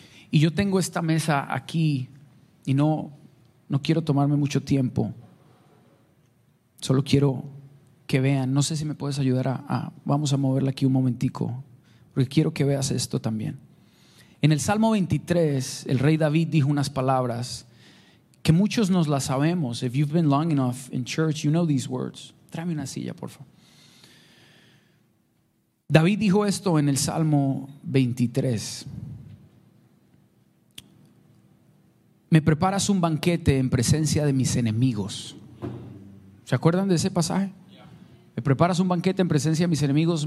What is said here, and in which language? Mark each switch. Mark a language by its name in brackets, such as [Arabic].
[Spanish] Y yo tengo esta mesa aquí y no quiero tomarme mucho tiempo. Solo quiero que vean, no sé si me puedes ayudar a vamos a moverla aquí un momentico, porque quiero que veas esto también. En el Salmo 23, el rey David dijo unas palabras que muchos nos la sabemos. [English] If you've been long enough in church, you know these words. [Spanish] Tráeme una silla, por favor. David dijo esto en el Salmo 23. Me preparas un banquete en presencia de mis enemigos. ¿Se acuerdan de ese pasaje? Me preparas un banquete en presencia de mis enemigos.